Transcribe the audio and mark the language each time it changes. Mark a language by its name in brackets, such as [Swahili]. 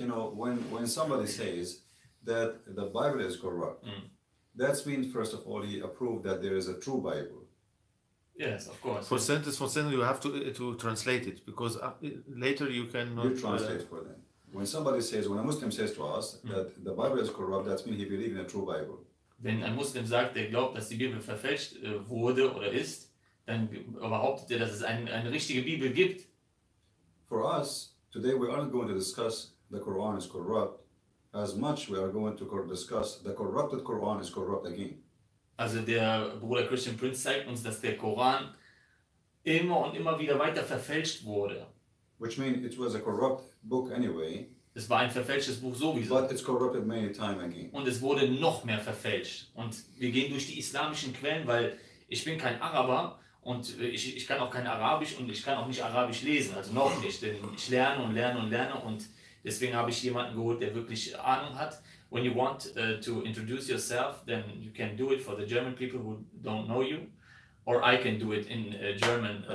[English] You know, when somebody says that the Bible is corrupt, that means first of all he approved that there is a true Bible. Yes, of course. For sentence, you have to translate it, because later you cannot... You translate for them. When somebody says, when a Muslim says to us that the Bible is corrupt, that means he believes in a true Bible. [German] Wenn ein Muslim sagt, der glaubt, dass die Bibel verfälscht wurde oder ist, dann behauptet er, dass es eine richtige Bibel gibt. [English] For us, today we aren't going to discuss the Quran is corrupt as much we are going to discuss the corrupted Quran is corrupt again. [German] Also der Bruder Christian Prinz zeigt uns, dass der Koran immer und immer wieder weiter verfälscht wurde. [English] Which means it was a corrupt book anyway. [German] Es war ein verfälschtes Buch sowieso. [English] But it's corrupted many times again. [German] Und es wurde noch mehr verfälscht. Und wir gehen durch die islamischen Quellen, weil ich bin kein Araber und ich kann auch kein Arabisch und ich kann auch nicht Arabisch lesen. Also noch nicht, denn ich lerne und lerne und lerne und deswegen habe ich jemanden geholt, der wirklich Ahnung hat. [English] When you want to introduce yourself, then you can do it for the German people who don't know you, or I can do it in German.